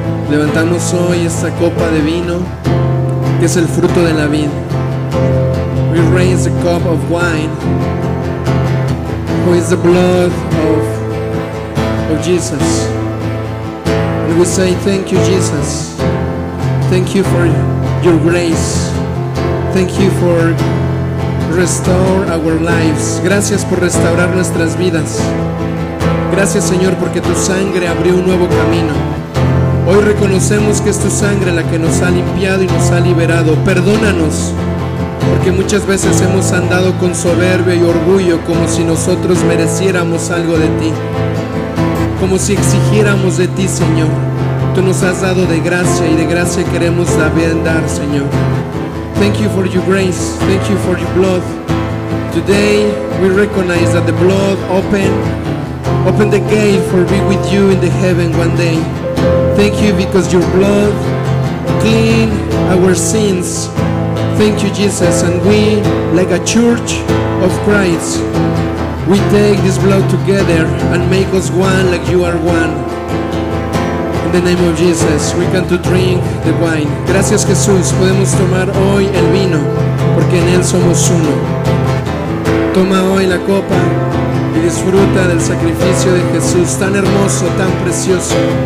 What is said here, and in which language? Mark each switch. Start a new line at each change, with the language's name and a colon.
Spanish: Levantamos hoy esta copa de vino, que es el fruto de la vid.
English: We raise the cup of wine, who is the blood of Jesus. And we say thank you, Jesus. Thank you for your grace. Thank you for restore our lives.
Spanish: Gracias por restaurar nuestras vidas. Gracias, Señor, porque tu sangre abrió un nuevo camino. Hoy reconocemos que es tu sangre la que nos ha limpiado y nos ha liberado. Perdónanos, porque muchas veces hemos andado con soberbia y orgullo, como si nosotros mereciéramos algo de ti, como si exigiéramos de ti, Señor. Tú nos has dado de gracia, y de gracia queremos también dar, Señor.
English: Thank you for your grace. Thank you for your blood. Today we recognize that the blood opened the gate for be with you in the heaven one day. Thank you, because your blood clean our sins. Thank you, Jesus. And we, like a church of Christ, we take this blood together and make us one like you are one. In the name of Jesus, we can to drink the wine.
Spanish: Gracias, Jesús. Podemos tomar hoy el vino, porque en él somos uno. Toma hoy la copa y disfruta del sacrificio de Jesús, tan hermoso, tan precioso.